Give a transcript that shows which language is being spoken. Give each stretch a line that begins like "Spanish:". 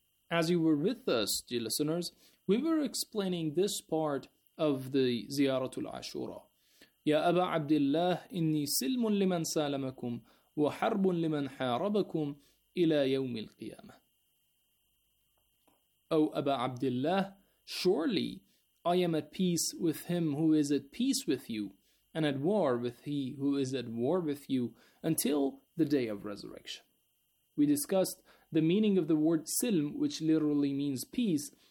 English: As you were with us, dear listeners, we were explaining this part of the زيارة العاشوراء.
Arabic: يا أبا عبد الله إني سلم لمن سالمكم وحرب لمن حاربكم إلى يوم القيامة. أو أبا عبد الله,
English: surely I am at peace with him who is at peace with you, and at war with he who is at war with you, until the day of resurrection. We discussed the meaning of the word silm, which literally means peace.